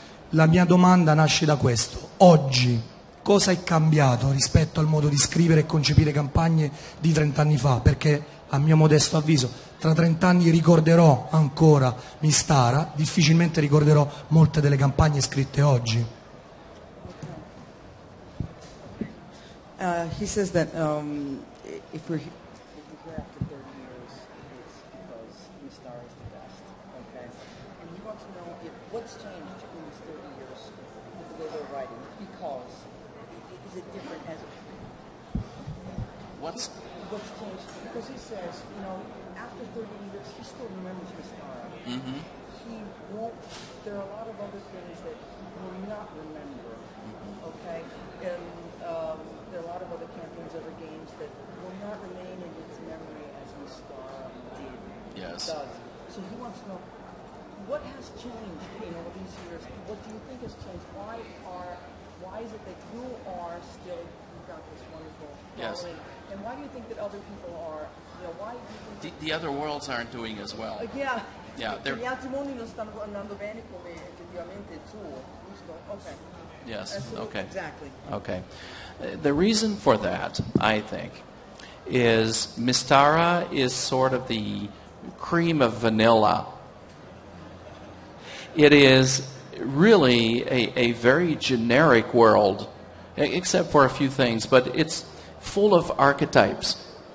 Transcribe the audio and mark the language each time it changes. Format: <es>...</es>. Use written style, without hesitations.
<it>La mia domanda nasce da questo. Oggi cosa è cambiato rispetto al modo di scrivere e concepire campagne di 30 anni fa? Perché a mio modesto avviso, tra 30 anni ricorderò ancora Mystara, difficilmente ricorderò molte delle campagne scritte oggi.</it> <en>He says that if we're here after 30 years, it's because Mystara is the best. Okay? And you want to know if, what's changed in these 30 years with the way they're writing? Because is it different as a. What's changed? Because he says, you know, after 30 years, he still remembers Mystara. Mm-hmm. He won't. There are a lot of other things that he will not remember. Mm-hmm. Okay? And. There are a lot of other campaigns, other games that will not remain in its memory as Mystara did. Yes. Does. So he wants to know, what has changed in all these years? What do you think has changed? Why is it that you are still, you've got this wonderful following, yes. And why do you think that other people are, you know, why do you think the other worlds aren't doing as well. Yeah. Yeah.</en> <it>Gli altri mondi non stanno andando bene come effettivamente tu, giusto?</it> <en>Okay. Yes, okay. Exactly. Okay. The reason for that, I think, is Mystara is sort of the cream of vanilla. It is really a very generic world, except for a few things, but it's full of archetypes.</en>